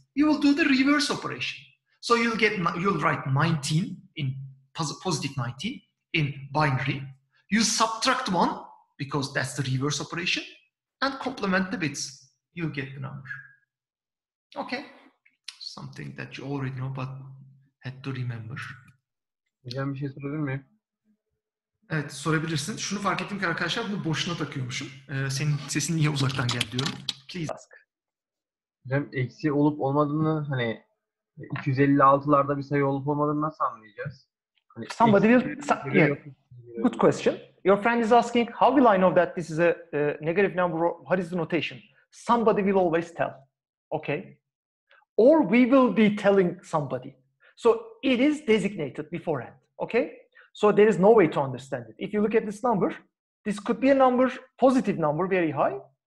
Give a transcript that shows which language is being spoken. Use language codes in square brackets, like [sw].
[en] You will do the reverse operation. So you'll write 19 in positive 19 in binary. You subtract 1 because that's the reverse operation and complement the bits. You'll get the number. Okay. Something that you already know but had to remember. [tr] Hocam bir şey sorabilir miyim? Evet sorabilirsin. Şunu fark ettim ki arkadaşlar bunu boşuna takıyormuşum. Senin sesin niye uzaktan geldi diyorum. Please. Hocam eksi olup olmadığını hani 256'larda bir sayı olup olmadığını nasıl anlayacağız? [en] Hani somebody will... Good question. Your friend is asking, how will I know that this is a negative number? What is the notation? Somebody will always tell. Okay. Or we will be telling somebody. So it is designated beforehand. Okay. So there is no way to understand it. If you look at this number, this could be a number, positive number, very high.